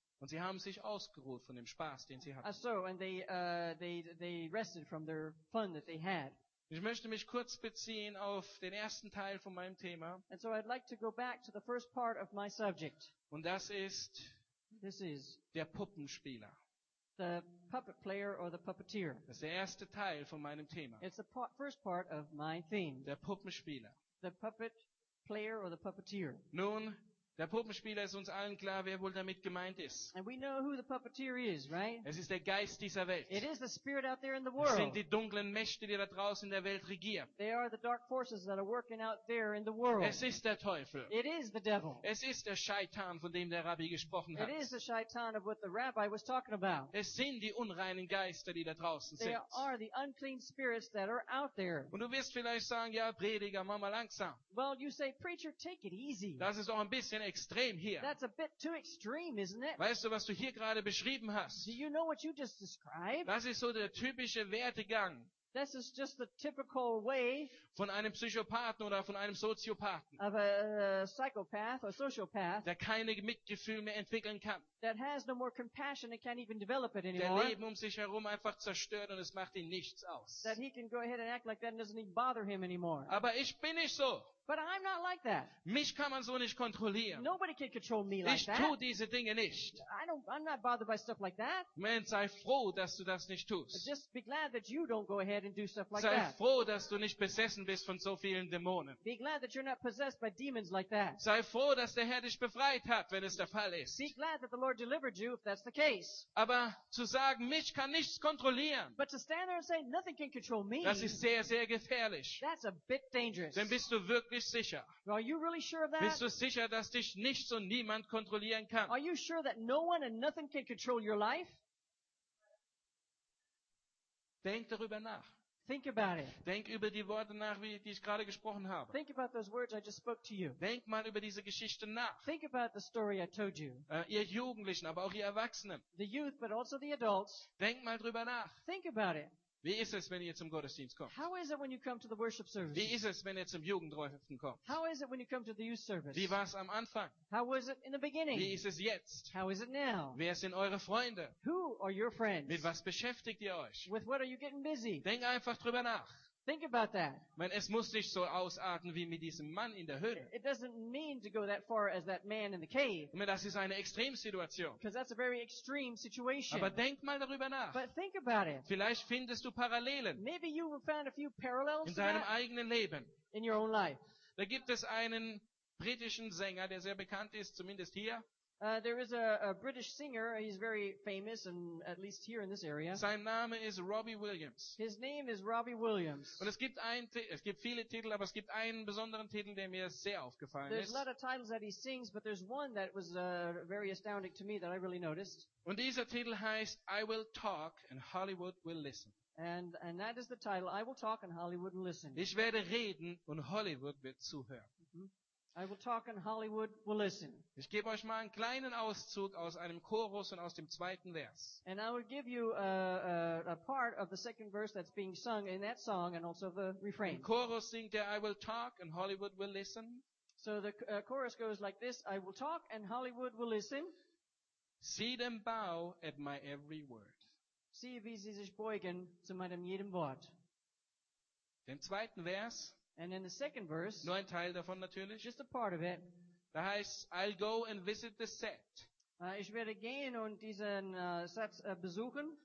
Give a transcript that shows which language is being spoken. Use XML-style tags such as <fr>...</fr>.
<de>Und sie haben sich ausgeruht von dem Spaß, den sie hatten.</de> <en>Ah, so, and they rested from their fun that they had.</en> <de>Ich möchte mich kurz beziehen auf den ersten Teil von meinem Thema.</de> <en>And so I'd like to go back to the first part of my subject.</en> <de>Und das ist</de> <en>this is</en> <de>der Puppenspieler.</de> <en>The puppet player or the puppeteer.</en> <de>Das ist der erste Teil von meinem Thema.</de> <en>It's the first part of my theme.</en> <de>Der Puppenspieler.</de> <en>The puppet player or the puppeteer.</en> <de>Nun, der Puppenspieler ist uns allen klar, wer wohl damit gemeint ist.</de> <en>And we know who the puppeteer is, right?</en> <de>Es ist der Geist dieser Welt.</de> <en>It is the spirit out there in the world.</en> <de>Es sind die dunklen Mächte, die da draußen in der Welt regieren.</de> <en>They are the dark forces that are working out there in the world.</en> <de>Es ist der Teufel.</de> <en>It is the devil.</en> <de>Es ist der Scheitan, von dem der Rabbi gesprochen hat.</de> <en>It is the Scheitan of what the Rabbi was talking about.</en> <de>Es sind die unreinen Geister, die da draußen</de> <en>they</en> <de>sind.</de> <en>They are the unclean spirits that are out there.</en> <de>Und du wirst vielleicht sagen, ja, Prediger, mach mal langsam.</de> <en>Well, you say, preacher, take it easy.</en> <de>Das ist auch ein bisschen extrem hier.</de> <en>That's a bit too extreme, isn't it?</en> <de>Weißt du, was du hier gerade beschrieben hast?</de> <en>Do you know what you just described?</en> <de>Das ist so der typische Wertegang.</de> <en>This is just the typical way</en> <de>von einem Psychopathen oder von einem Soziopathen,</de> <en>of a psychopath or sociopath,</en> <de>der keine Mitgefühl mehr entwickeln kann,</de> <en>that has no more compassion and can't even develop it anymore,</en> <de>der Leben um sich herum einfach zerstört und es macht ihn nichts aus,</de> <en>that he can go ahead and act like that and doesn't even bother him anymore.</en> <de>Aber ich bin nicht so.</de> <en>But I'm not like that.</en> <de>Mich kann man so nicht kontrollieren.</de> <en>Nobody can control me like</en> <de>ich</de> <en>that.</en> <de>Ich tue diese Dinge nicht.</de> <en>I'm not bothered by stuff like that.</en> <de>Man, sei froh, dass du das nicht tust.</de> <en>Just be glad that you don't go ahead and do stuff like</en> <de>sei Sei froh, dass du nicht besessen bist von so vielen Dämonen.</de> <en>Be glad that you're not possessed by demons like that.</en> <de>Sei froh, dass der Herr dich befreit hat, wenn es der Fall ist.</de> <en>Be glad that the Lord delivered you if that's the case.</en> <de>Aber zu sagen, mich kann nichts kontrollieren.</de> <en>But to stand there and say nothing can control me.</en> <de>Das ist sehr, sehr gefährlich.</de> <en>That's a bit dangerous.</en> <de>Denn bist du wirklich sicher?</de> <en>Are you really sure of that?</en> <de>Bist du sicher, dass dich nichts und niemand kontrollieren kann?</de> <en>Are you sure that no one and nothing can control your life?</en> <de>Denk darüber nach.</de> <en>Think about it.</en> <de>Denk über die Worte nach, die ich gerade gesprochen habe.</de> <en>Think about those words I just spoke to you.</en> <de>Denk mal über diese Geschichte nach.</de> <en>Think about the story I told you.</en> <de>Ihr Jugendlichen, aber auch ihr Erwachsenen.</de> <en>The youth, but also the adults.</en> <de>Denk mal drüber nach.</de> <en>Think about it.</en> <de>Wie ist es, wenn ihr zum Gottesdienst kommt?</de> <en>How is it when you come to the worship service?</en> <de>Wie ist es, wenn ihr zum Jugendtreffen kommt?</de> <en>How is it when you come to the youth service?</en> <de>Wie war es am Anfang?</de> <en>How was it in the beginning?</en> <de>Wie ist es jetzt?</de> <en>How is it now?</en> <de>Wer sind eure Freunde?</de> <en>Who are your friends?</en> <de>Mit was beschäftigt ihr euch?</de> <en>With what are you getting busy?</en> <de>Denk einfach drüber nach.</de> <en>Think about that.</en> <de>Man, es muss nicht so ausarten wie mit diesem Mann in der Höhle.</de> <en>It doesn't mean to go that far as that man in the cave.</en> <de>Man, das ist eine Extremsituation.</de> <en>Because that's a very extreme situation.</en> <de>Aber denk mal darüber nach.</de> <en>But think about it.</en> <de>Vielleicht findest du Parallelen.</de> <en>Maybe you found a few parallels</en> <de>in deinem eigenen Leben.</de> <en>In your own life.</en> <de>Da gibt es einen britischen Sänger, der sehr bekannt ist, zumindest hier.</de> <en>There is a British singer. He's very famous, and at least here in this area.</en> <de>Sein Name ist Robbie Williams.</de> <en>His name is Robbie Williams.</en> <de>Und es gibt viele Titel, aber es gibt einen besonderen Titel, der mir sehr aufgefallen</de> <en>there's</en> <de>ist.</de> <en>There's a lot of titles that he sings, but there's one that was very astounding to me that I really noticed.</en> <de>Und dieser Titel heißt</de> <en>"I Will Talk and Hollywood Will Listen." And that is the title. I will talk and Hollywood will listen.</en> <de>Ich werde reden und Hollywood wird zuhören. Mm-hmm.</de> <en>I will talk and Hollywood will listen.</en> <de>Ich gebe euch mal einen kleinen Auszug aus einem Chorus und aus dem zweiten Vers.</de> <en>And I will give you a part of the second verse that's being sung in that song and also the refrain.</en> <de>Im Chorus singt er,</de> <en>I will talk and Hollywood will listen. So the chorus goes like this, I will talk and Hollywood will listen. See them bow at my every word.</en> <de>Sie, wie sie sich beugen zu meinem jedem Wort. Im zweiten Vers.</de> <en>And in the second verse,</en> <de>nur ein Teil davon natürlich.</de> <en>Just a part of it.</en> <de>Da heißt,</de> <en>I'll go and visit the set.</en> <de>Ich werde gehen und diesen Set besuchen.</de>